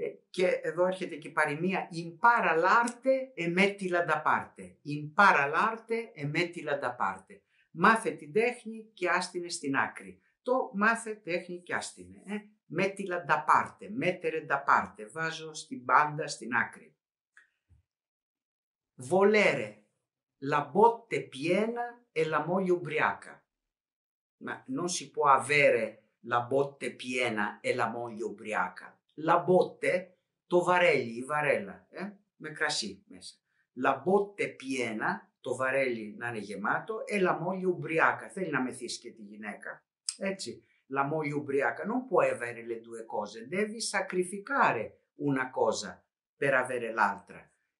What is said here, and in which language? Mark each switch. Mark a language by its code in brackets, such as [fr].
[el] Και εδώ έρχεται και η παροιμία [it] «Impara l'arte e metti la da parte». «Impara l'arte e metti la da parte». [el] Μάθε την τέχνη και άστηνε στην άκρη. Το μάθε τέχνη και άστηνε. [it] Metti la da parte, mettere da parte, [el] βάζω στην πάντα, στην άκρη. [it] Volere, la botte piena e la moglie ubriaca. Ma non si può avere la botte piena e la moglie ubriaca. [el] La botte, το βαρέλι, η βαρέλα, με κρασί μέσα. [it] La botte piena, [el] το βαρέλι να είναι γεμάτο, [it] e la moglie ubriaca, [el] θέλει να μεθύσει και τη γυναίκα, έτσι. [it] La moglie ubriaca, non può avere le due cose, devi sacrificare una cosa per avere l'altra.